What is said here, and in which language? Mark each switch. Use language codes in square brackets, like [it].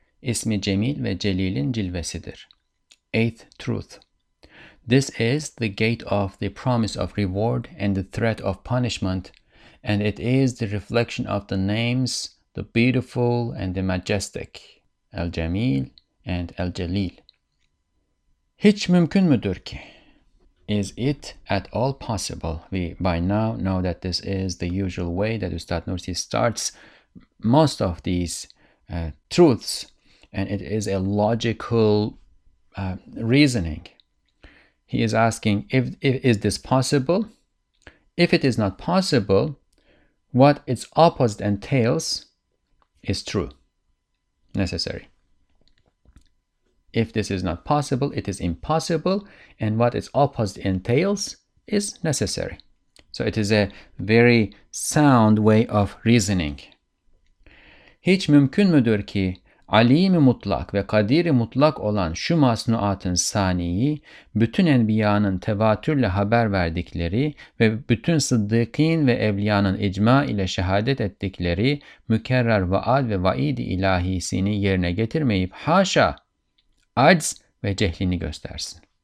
[tr] İsmi Cemil ve Celil'in cilvesidir. [en] Eighth truth. This is the gate of the promise of reward and the threat of punishment, and it is the reflection of the names, the beautiful and the majestic, El-Cemil and El-Celil. [tr] Hiç mümkün müdür ki? [en] Is it at all possible? We by now know that this is the usual way that Ustad Nursi starts most of these truths, and it is a logical reasoning. He is asking, if is this possible? If it is not possible, what its opposite entails is true, necessary. If this is not possible, it is impossible, and what its opposite entails is necessary. So it is a very sound way of reasoning. [tr] Hiç mümkün müdür ki alim-i mutlak ve kadir-i mutlak olan şu masnuatın saniyi, bütün enbiyanın tevatürle haber verdikleri ve bütün sıddıkîn ve evliyanın icma ile şehadet ettikleri mükerrer vaad ve vaid-i ilahisini yerine getirmeyip haşa, acz ve cehlini göstersin.